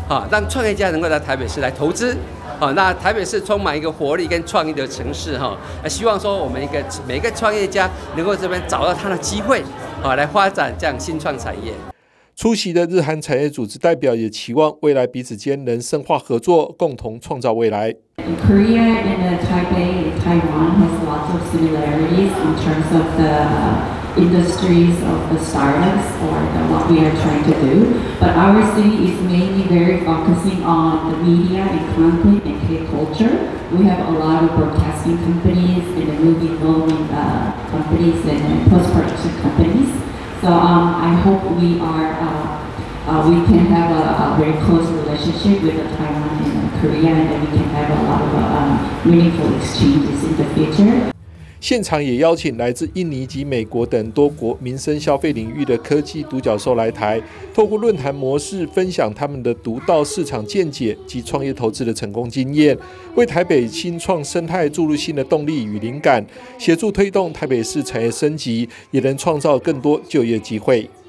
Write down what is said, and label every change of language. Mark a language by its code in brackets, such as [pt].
[zh] 让创业家能够到台北市来投资那台北市充满一个活力跟创意的城市希望说我们每一个创业家能够这边找到他的机会来发展这样新创产业。出席的日韩产业组织代表也期望未来彼此间能深化合作，共同创造未来。 [en] Korea and Taipei and Taiwan has lots of similarities in terms of the industries of the startups or the, what we are trying to do. But our city is mainly very focusing on the media and content and K-culture. We have a lot of broadcasting companies and the movie filming companies and post-production companies. So I hope we can have a very close relationship with the Taiwan and the Korea, and we can have a lot of meaningful exchanges in the future. [zh] 现场也邀请来自印尼及美国等多国民生消费领域的科技独角兽来台，透过论坛模式分享他们的独到市场见解及创业投资的成功经验，为台北新创生态注入新的动力与灵感，协助推动台北市产业升级，也能创造更多就业机会。